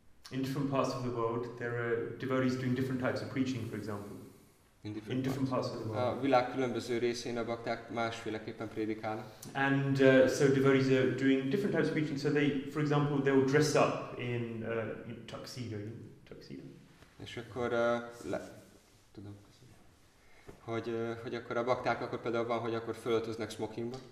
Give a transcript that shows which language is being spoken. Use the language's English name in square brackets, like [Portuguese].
[English] In different parts of the world, there are devotees doing different types of preaching, for example. In different parts of the world. [Hungarian] A világ különböző részén a bakták másféleképpen prédikálnak. [English] And so devotees are doing different types of preaching. So they, for example, they will dress up in tuxedo. [Hungarian] És akkor tudom, hogy akkor a bakták akkor például van, hogy akkor fölöltöznek smokingba.